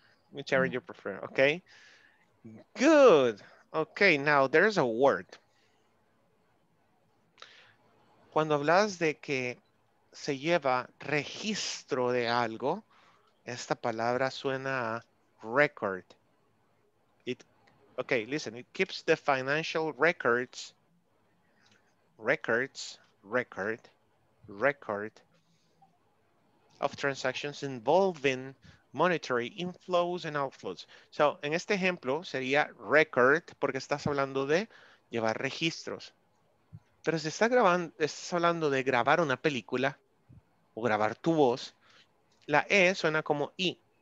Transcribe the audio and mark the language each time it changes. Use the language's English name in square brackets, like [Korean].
[English] Whichever you prefer, okay? Good. Okay, now there's a word. [Spanish] Cuando hablas de que se lleva registro de algo, esta palabra suena a record. [English] It keeps the financial records of transactions involving monetary inflows and outflows. [Spanish] So, en este ejemplo, sería record, porque estás hablando de llevar registros. Pero si estás hablando de grabar una película, o grabar tu voz, la E suena como I.